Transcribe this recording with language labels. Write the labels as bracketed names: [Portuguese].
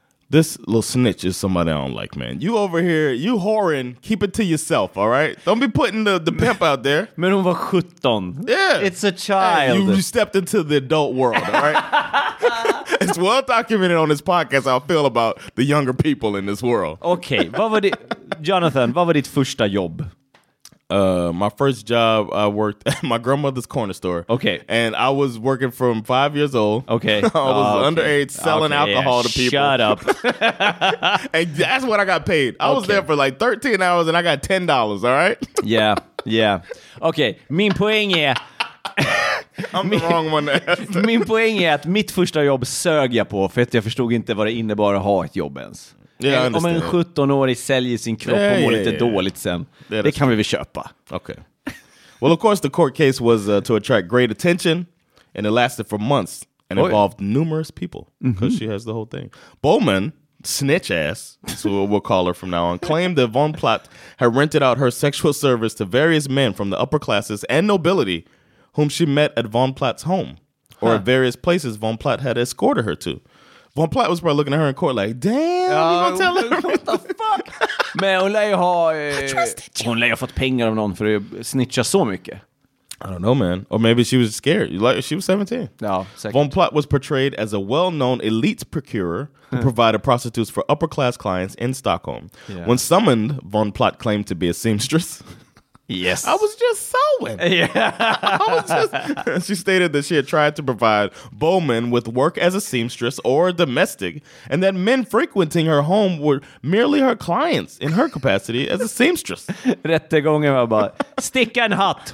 [English] This little snitch is somebody I don't like, man. You over here, you whoring, keep it to yourself, all right? Don't be putting the pimp out there. [Swedish] Men hon var 17. [English] Yeah. It's a child. Hey, you stepped into the adult world, all right? It's well documented on this podcast how I feel about the younger people in this world. Okay. [Swedish] Jonathan, vad var ditt första jobb? [English] My first job, I worked at my grandmother's corner store. Okay. And I was working from 5 years old. Okay. I was underage selling alcohol to people. Shut up. And that's what I got paid. I was there for like 13 hours and I got $10, all right? Yeah, yeah. [Swedish] Okay, min poäng är... [English] I'm the wrong one to ask. [Swedish] Min poäng är att mitt första jobb sög jag på för att jag förstod inte vad det innebar att ha ett jobb ens. [English] Yeah, [Swedish] om en 17-årig säljer sin kropp och mår lite dåligt sen, det kan vi väl köpa. [English] Okay. Well, of course, the court case was to attract great attention, and it lasted for months and involved numerous people, because she has the whole thing. Bowman, snitch ass, is what we'll call her from now on, claimed that von Platt had rented out her sexual service to various men from the upper classes and nobility whom she met at von Platt's home or at various places von Platt had escorted her to. Von Platt was probably looking at her in court like, damn, you gonna tell her? What the fuck? [Swedish] Men hon lär ju ha fått pengar av någon för att snitcha så mycket. [English] I don't know, man. Or maybe she was scared. Like, she was 17. No, second. Von Platt was portrayed as a well-known elite procurer who provided prostitutes for upper-class clients in Stockholm. Yeah. When summoned, Von Platt claimed to be a seamstress. Yes. I was just sewing. Yeah. I was just... She stated that she had tried to provide Bowman with work as a seamstress or a domestic, and that men frequenting her home were merely her clients in her capacity as a seamstress. [Swedish] Rättegången var bara, stick en hatt.